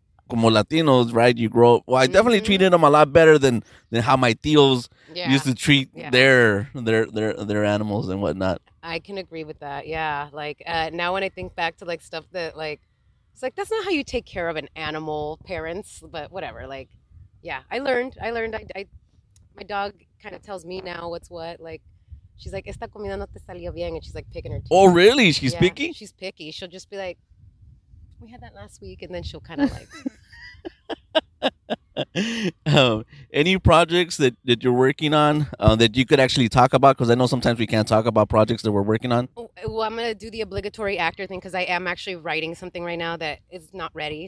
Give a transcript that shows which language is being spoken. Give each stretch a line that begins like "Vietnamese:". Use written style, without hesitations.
English: como Latinos, right? You grow up. Well, I definitely treated them a lot better than how my tios used to treat their animals and whatnot. I can agree with that. Yeah. Like now when I think back to like stuff that like, it's like, that's not how you take care of an animal, parents, but whatever. Like, yeah, I learned. I my dog kind of tells me now what's what. Like, she's like,
Spanish: esta comida no te salió bien.
English: And she's like picking her teeth. Oh, really? She's picky? She's picky. She'll just be like, we had that last week. And then she'll kind of like. Any projects that you're working on that you could actually talk about? Because I know sometimes we can't talk about projects that we're working on. Well, I'm going to do the obligatory actor thing because I am actually writing something right now that is not ready.